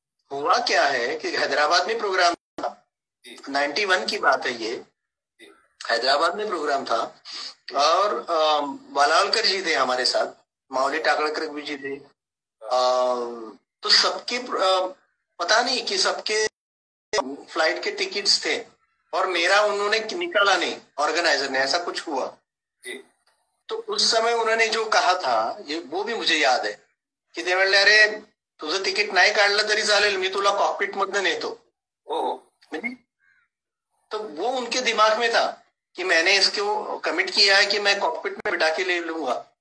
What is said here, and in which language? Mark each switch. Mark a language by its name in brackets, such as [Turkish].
[Hindi] हुआ क्या है कि हैदराबाद में प्रोग्राम था, 91 की बात है ये, हैदराबाद में प्रोग्राम था, और वालावलकर जी थे हमारे साथ, माउली टाकळकर भी जी थे। तो सबके पता नहीं कि सबके फ्लाइट के टिकट्स थे, और मेरा उन्होंने निकाला नहीं, ऑर्गेनाइजर ने, ऐसा कुछ हुआ। तो उस समय उन्होंने जो कहा था, ये वो भी मुझे याद है, कि [Marathi] ते म्हणले, अरे तुझं तिकीट नाही काढलं तरी चालेल, मी तुला कॉकपिट मधनं नेतो। ओ [Hindi] तो वो उनके दिमाग में था कि मैंने इसको कमिट किया है कि मैं कॉकपिट में बिठा के ले लूंगा।